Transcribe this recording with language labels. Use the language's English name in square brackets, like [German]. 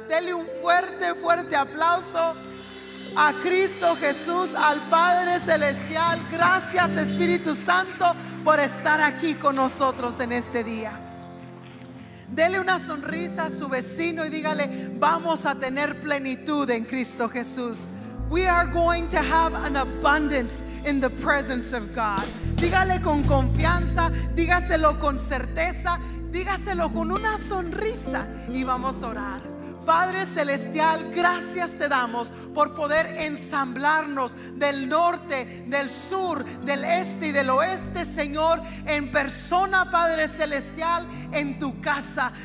[Spanish] Dele un fuerte, fuerte aplauso a Cristo Jesús, al Padre Celestial. Gracias, Espíritu Santo, por estar aquí con nosotros en este día. Dele una sonrisa a su vecino y dígale, vamos a tener plenitud en Cristo Jesús. [English] We are going to have an abundance in the presence of God. [Spanish] Dígale con confianza, dígaselo con certeza, dígaselo con una sonrisa y vamos a orar. Padre Celestial, gracias te damos por poder ensamblarnos del norte, del sur, del este y del oeste, Señor, en persona, Padre Celestial, en tu casa.